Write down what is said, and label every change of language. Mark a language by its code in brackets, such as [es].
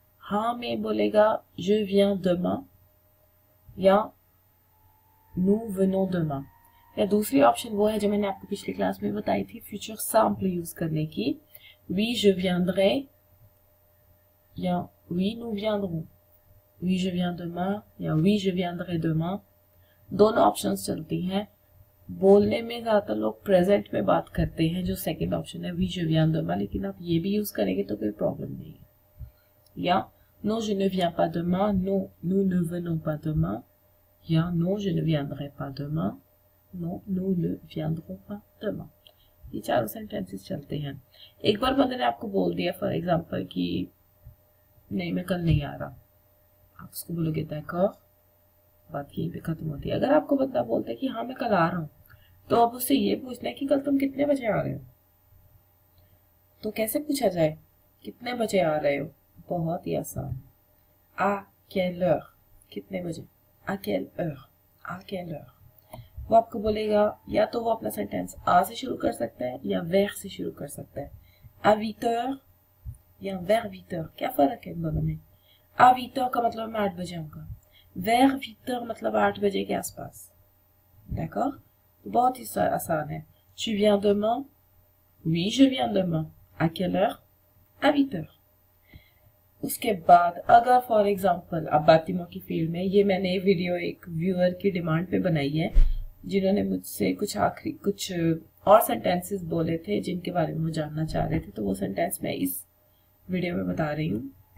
[hi] हाँ में बोलेगा [fr] je viens demain [hi] या [fr] nous venons demain, [hi] या दूसरी ऑप्शन वो है जो मैंने आपको पिछली क्लास में बताई थी फ्यूचर सैंपल यूज करने की, [fr] oui je viendrai [hi] या [fr] oui nous viendrons, oui je viens demain [hi] या [fr] oui je viendrai demain, [hi] दोनों ऑप्शंस चलती हैं। बोलने में ज्यादातर लोग प्रेजेंट में बात करते हैं, जो सेकंड ऑप्शन है [fr] oui je viens demain, [hi] लेकिन आप ये भी यूज करेंगे तो कोई प्रॉब्लम नहीं है। [fr] या non je ne viens pas demain, non nous ne venons pas demain, या non je ne viendrai pas demain, non nous ne viendrons pas demain, [hi] ये चारों सेंटेंसेस चलते हैं। एक बार बंदे ने आपको बोल दिया फॉर एग्जाम्पल कि नहीं मैं कल नहीं आ रहा, आप उसको बोलोगे d'accord, बात यहीं पे खत्म होती है। अगर आपको बंदा बोलता है कि हाँ मैं कल आ रहा हूँ, तो अब उससे ये पूछना है कि कल तुम कितने बजे आ रहे हो, तो कैसे पूछा जाए कितने बजे आ रहे हो? [fr] बहुत ही आसान, à quelle heure, [hi] कितने बजे, [fr] à quelle heure, à quelle heure। [hi] वो आपको बोलेगा, या तो वो अपना सेंटेंस आ से शुरू कर सकता है या vers से शुरू कर सकता है, [fr] à 8h [hi] या [fr] vers 8h, [hi] क्या फर्क है दोनों में? [fr] à 8h [hi] का मतलब मैं 8 बजे आऊंगा, [fr] vers 8h [hi] मतलब 8 बजे के आसपास, d'accord। बहुत ही आसान है। [fr] tu viens demain, oui je viens demain, à quelle heure, à 8h। [hi] उसके बाद अगर फॉर एग्जाम्पल आप बातिमों की फील्ड में, ये मैंने वीडियो एक व्यूअर की डिमांड पे बनाई है, जिन्होंने मुझसे कुछ आखिरी कुछ और सेंटेंसेस बोले थे जिनके बारे में वो जानना चाह रहे थे, तो वो सेंटेंस मैं इस वीडियो में बता रही हूँ।